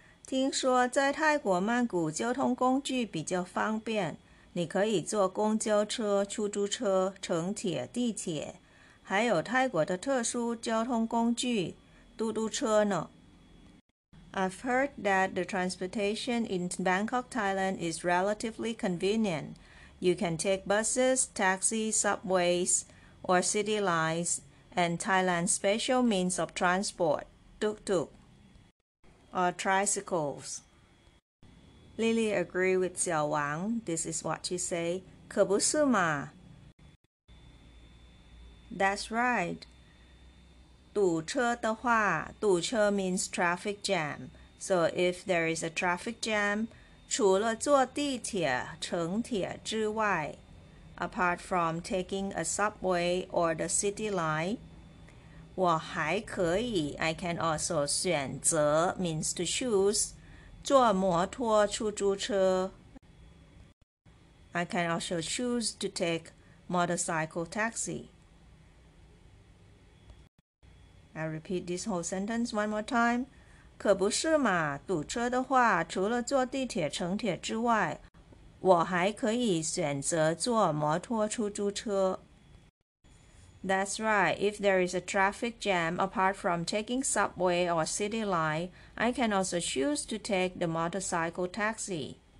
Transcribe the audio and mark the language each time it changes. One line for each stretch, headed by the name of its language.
Chinese: 听说在泰国曼谷交通工具比较方便，你可以坐公交车、出租车、城铁、地铁。还有泰国的特殊交通工具，嘟嘟车呢。
English: I've heard that the transportation in Bangkok, Thailand is relatively convenient. You can take buses, taxis, subways, or city lines, and Thailand's special means of transport, tuk-tuk, or tricycles. Lily agree with 小王, this is what she say,
Chinese: 可不是嘛。
English: That's right.
Chinese: 堵车的话，堵车
English: means traffic jam. So if there is a traffic jam,
Chinese: 除了坐地铁、城铁之外,
English: apart from taking a subway or the city line,
Chinese: 我还可以,
English: I can also 选择 means to choose,
Chinese: 坐摩托出租车。
English: I can also choose to take motorcycle taxi. I repeat this whole sentence one more time.
Chinese: 可不是嘛，堵车的话，除了坐地铁、城铁之外，我还可以选择坐摩托出租车。
English: That's right. If there is a traffic jam, apart from taking subway or city line, I can also choose to take the motorcycle taxi.